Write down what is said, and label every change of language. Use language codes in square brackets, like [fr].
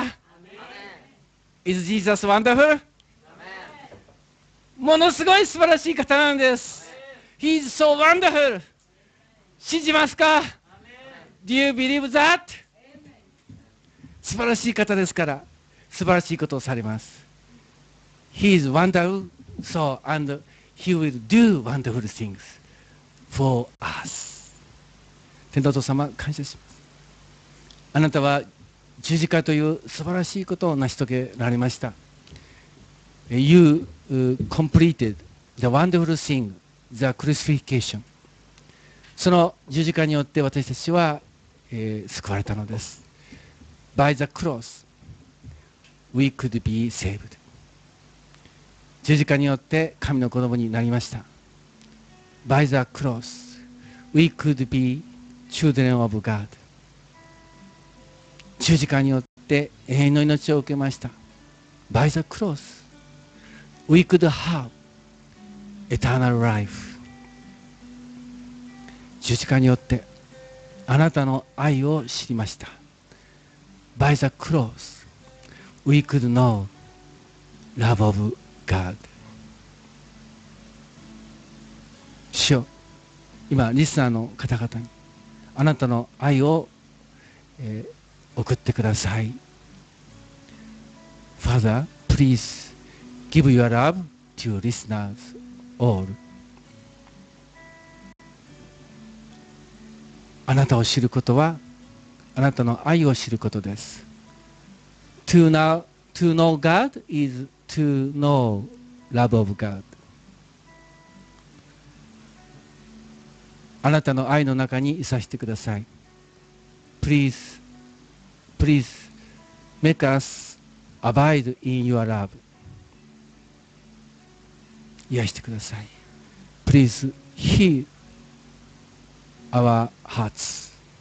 [en] アメン。 Is Jesus wonderful？ アメン。 [ja] ものすごい素晴らしい方なんです。 [en] He is so wonderful。 [ja] 信じますか？ [en] アメン。Do you believe that？ [ja] アメン。素晴らしい方ですから、素晴らしいことをされます。 [en] He is wonderful, so and he will do wonderful things. For us。 [ja] 天道様、感謝します。あなたは十字架という素晴らしいことを成し遂げられました。 [en] You completed the wonderful thing, the crucifixion。 [ja] その十字架によって私たちは、救われたのです。 [en] By the cross we could be saved。 [ja] 十字架によって神の子供になりました。 [en] By the cross, we could be children of God。 [ja] 十字架によって永遠の命を受けました。 [en] By the cross, we could have eternal life。 [ja] 十字架によってあなたの愛を知りました。 [en] By the cross, we could know love of God。 [ja] 主よ、今リスナーの方々にあなたの愛を、送ってください。 [en] Father, please give your love to your listeners all。 [ja] あなたを知ることはあなたの愛を知ることです。 [en] To know God is to know love of God。 [ja] あなたの愛の中にいさせてください。 [en] Please, please make us abide in your love。 [ja] 癒してください。 [en] Please heal our hearts。